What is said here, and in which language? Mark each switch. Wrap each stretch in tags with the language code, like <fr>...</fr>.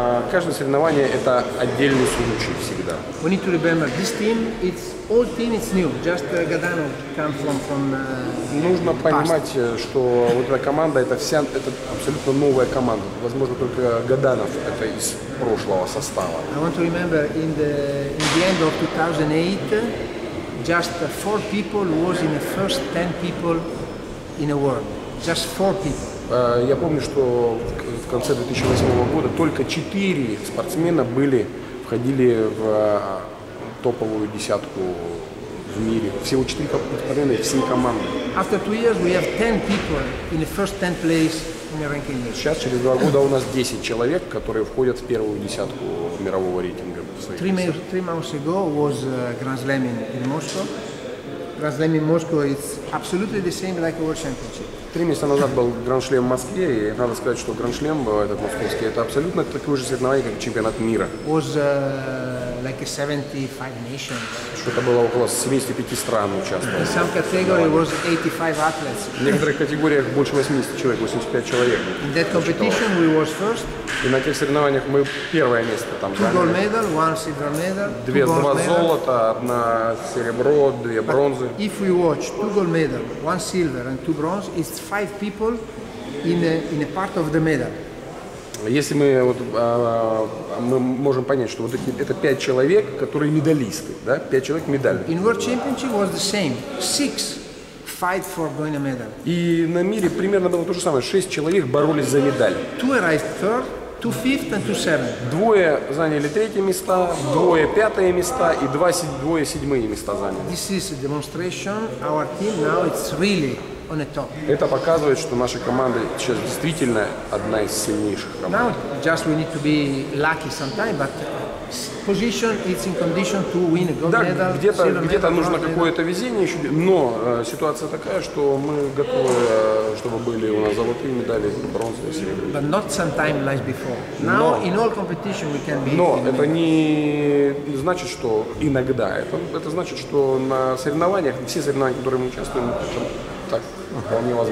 <ru>Каждое соревнование – это отдельный случай всегда.</ru> <en>We need to remember, this team, it's old team, it's new. Just Gadano come from</en> <ru>Нужно понимать, past. Что вот эта команда – это вся, это абсолютно новая команда. Возможно, только Гаданов – это из прошлого состава.</ru> <en>I want to remember, in the end of 2008, just four people was in the first 10 people in the world. Just four people.</en> <ru>Я помню, что в конце 2008 года только 4 спортсмена входили в топовую десятку в мире. Всего 4 спортсмена из всей команды.</ru> <en>After 2 years we have 10 people in the first 10 place in the ranking list.</en> <ru>Сейчас через 2 года у нас 10 человек, которые входят в первую десятку мирового рейтинга.</ru> <en>3 months ago was Grand Slam in Moscow. Grand Slam in Moscow is absolutely the same like a World Championship.</en> <ru>3 месяца назад был Гран-шлем в Москве, и надо сказать, что Гран-шлем был этот московский, это абсолютно такое же соревнование, как чемпионат мира.</ru> <en>Like 75 nations.</en> <ru>Что-то было около 75 стран участвовало.</ru> <en>In some category was 85 athletes.</en> <ru>В некоторых категориях больше 80 человек, 85 человек.</ru> <en>In that competition we was first.</en> <ru>И на тех соревнованиях мы первое место там заняли.</ru> <en>Two gold medal, one silver medal.</en> <ru>Два золота, одна серебро, две бронзы.</ru> <en>If we watch two gold medal, one silver and two bronze, it's five people in a part of the medal.</en> <ru>Если мы вот мы можем понять, что вот это 5 человек, которые медалисты, да, 5 человек медальных.</ru> <en>In World Championship was the same. 6 fight for going a medal.</en> <ru>И на мире примерно было то же самое. 6 человек боролись за медаль.</ru> <en>Two arrived third, two fifth and two seventh.</en> <ru>Двое заняли третьи места, двое пятые места и двое седьмые места заняли.</ru> <en>This is a demonstration. Our team now it's really.</en> <ru>Это показывает, что наша команда сейчас действительно одна из сильнейших команд.</ru> <en>Now just we need to be lucky sometime, but position it's in condition to win a gold medal.</en> <ru>Да, где-то нужно какое-то везение еще, но ситуация такая, что мы готовы, чтобы были у нас золотые медали, бронзовые, серебряные.</ru> <en>But not sometime like before. Now in all competition we can be.</en> <ru>Но это не значит, что иногда. Это значит, что на соревнованиях, все соревнования, в которых мы участвуем, так, вполне возможно.</ru>